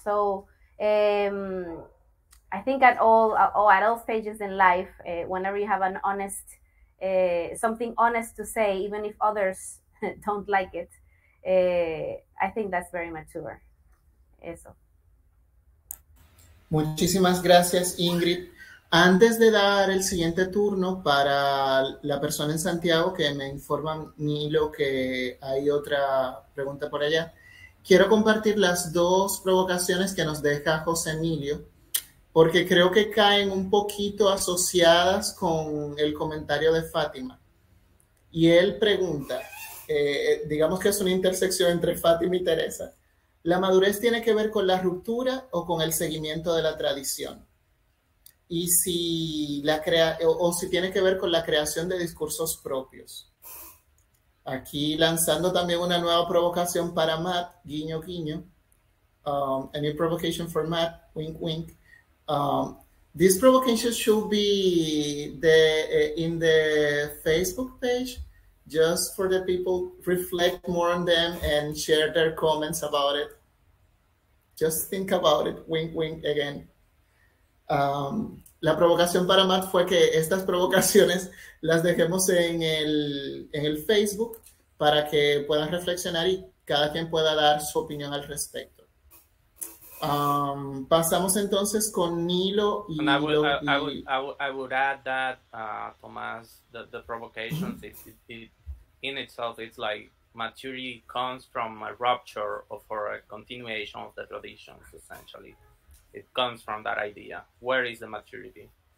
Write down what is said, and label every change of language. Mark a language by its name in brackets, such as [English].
[English] So I think at all stages in life, whenever you have an honest something honest to say, even if others don't like it, I think that's very mature. [Spanish] Eso. Muchísimas gracias, Ingrid. Antes de dar el siguiente turno para la persona en Santiago, que me informa Nilo que hay otra pregunta por allá, quiero compartir las dos provocaciones que nos deja José Emilio, porque creo que caen un poquito asociadas con el comentario de Fátima. Y él pregunta, digamos que es una intersección entre Fátima y Teresa, ¿la madurez tiene que ver con la ruptura o con el seguimiento de la tradición? Y si la si tiene que ver con la creación de discursos propios. Aquí lanzando también una nueva provocación para Matt, guiño, guiño. [English] A new provocation for Matt, wink, wink. This provocation should be in the Facebook page, just for the people reflect more on them and share their comments about it. Just think about it, wink, wink, again. [Spanish] La provocación para Matt fue que estas provocaciones las dejemos en el Facebook para que puedan reflexionar y cada quien pueda dar su opinión al respecto. Pasamos entonces con Nilo y [English] I would add that Tomás, the provocations in itself, it's like maturity comes from a rupture or for a continuation of the traditions, essentially. It comes from that idea. Where is the maturity?